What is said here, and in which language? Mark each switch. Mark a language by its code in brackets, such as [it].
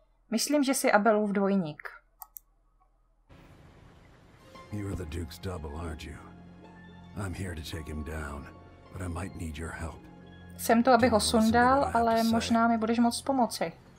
[cs] Myslím, že jsi Abelův dvojník. [en] You're the Duke's double, aren't you? I'm here to take him down, but I might need your help. [cs] Jsem tu, abych ho sundal, ale možná mi budeš moct pomoci.